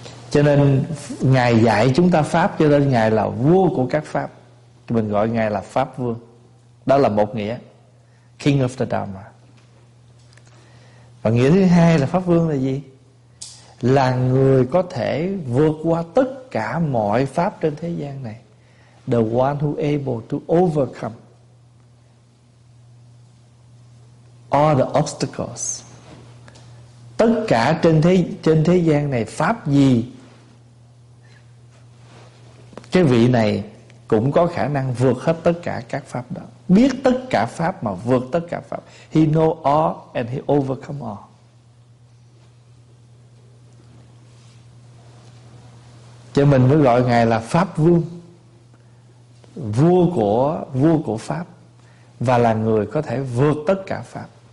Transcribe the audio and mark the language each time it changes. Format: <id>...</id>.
<vi>Cho nên Ngài dạy chúng ta Pháp, cho nên Ngài là vua của các Pháp. Mình gọi Ngài là Pháp Vương. Đó là một nghĩa,</vi> <en>King of the Dharma.</en> <vi>Và nghĩa thứ hai là Pháp Vương là gì? Là người có thể vượt qua tất cả mọi pháp trên thế gian này</vi> <en>The one who able to overcome all the obstacles.</en> <vi>Tất cả trên thế gian này pháp gì, cái vị này cũng có khả năng vượt hết tất cả các pháp đó. Biết tất cả pháp mà vượt tất cả pháp.</vi> <en>He know all and he overcome all.</en> <vi>Cho mình mới gọi Ngài là Pháp Vương, vua của Pháp, và là người có thể vượt tất cả Pháp.</vi>